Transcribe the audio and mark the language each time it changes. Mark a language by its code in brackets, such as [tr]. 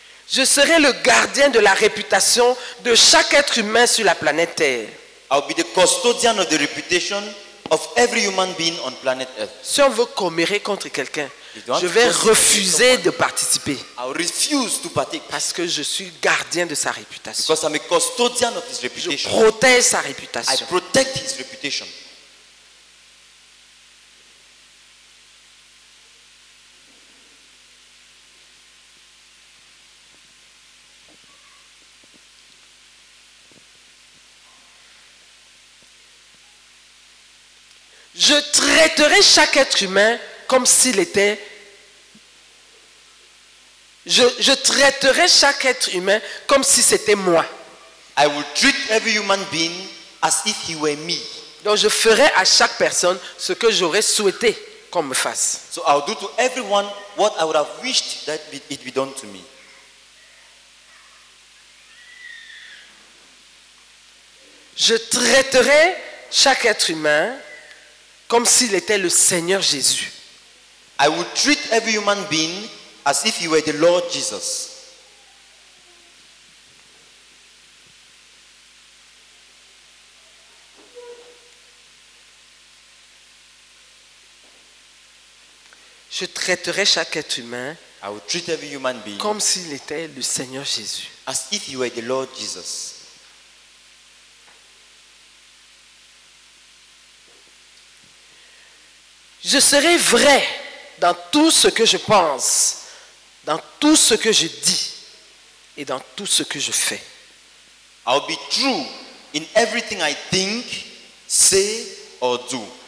[fr] Je serai le gardien de la réputation de chaque être humain sur la planète Terre. [en] I will be the custodian of the reputation of every human being on planet Earth. [fr] Si on veut commérer contre quelqu'un, je vais refuser de participer. [en] I will refuse to partake. [fr] Parce que je suis gardien de sa réputation. [en] Because I'm a custodian of his reputation. [fr] Je protège sa réputation. [en] I protect his reputation. [fr] Je traiterai chaque être humain comme s'il était. Je traiterai chaque être humain comme si c'était moi. [en] I will treat every human being as if he were me. [fr] Donc je ferai à chaque personne ce que j'aurais souhaité qu'on me fasse. [en] So I'll do to everyone what I would have wished that it be done to me. [fr] Je traiterai chaque être humain comme s'il était le Seigneur Jésus. [en] I would treat every human being as if he were the Lord Jesus. [fr] Je traiterai chaque être humain, [en] I would treat every human being [fr] comme s'il était le Seigneur Jésus. [en] As if he were the Lord Jesus. [fr] Je serai vrai dans tout ce que je pense, dans tout ce que je dis et dans tout ce que je fais. [en] I'll be true in everything I think, say or do.